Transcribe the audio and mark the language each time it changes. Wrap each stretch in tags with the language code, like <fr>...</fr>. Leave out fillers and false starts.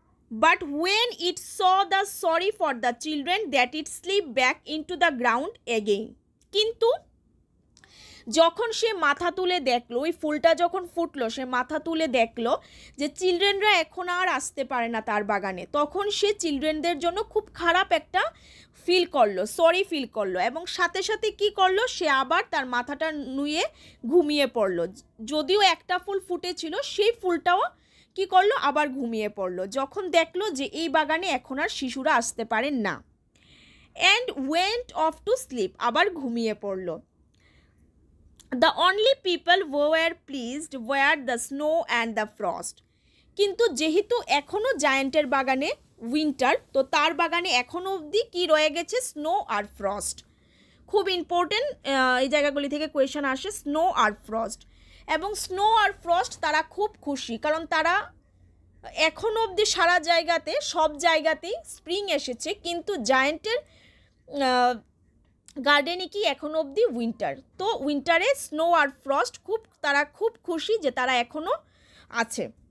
<en>but when it saw the sorrow for the children that it slip back into the ground again,</en> <bn>কিন্তু যখন সে মাথা তুলে দেখলো ওই ফুলটা যখন ফুটলো, সে মাথা তুলে দেখলো যে চিলড্রেনরা এখন আর আসতে পারে না তার বাগানে, তখন সে চিলড্রেনদের জন্য খুব খারাপ একটা ফিল করলো, সরি ফিল করলো, এবং সাথে সাথে কি করলো, সে আবার তার মাথাটা নুয়ে ঘুমিয়ে পড়লো। যদিও একটা ফুল ফুটেছিল, সেই ফুলটাও কি করলো, আবার ঘুমিয়ে পড়লো যখন দেখলো যে এই বাগানে এখন আর শিশুরা আসতে পারে না,</bn> <en>and went off to sleep,</en> <bn>আবার ঘুমিয়ে পড়লো।</bn> <en>The only people who were pleased were the snow and the frost.</en> <bn>কিন্তু যেহেতু এখনও জায়েন্টের বাগানে উইন্টার, তো তার বাগানে এখনও অবধি কী রয়ে গেছে, স্নো আর ফ্রস্ট। খুব ইম্পর্টেন্ট এই জায়গাগুলি থেকে কোয়েশন আসে, স্নো আর ফ্রস্ট, এবং স্নো আর ফ্রস্ট তারা খুব খুশি, কারণ তারা এখনও অবধি সারা জায়গাতে, সব জায়গাতেই স্প্রিং এসেছে কিন্তু জায়েন্টের গার্ডেনে কি এখনও অবধি উইন্টার, তো উইন্টারে স্নো আর ফ্রস্ট খুব, তারা খুব খুশি যে তারা এখনও আছে।</bn>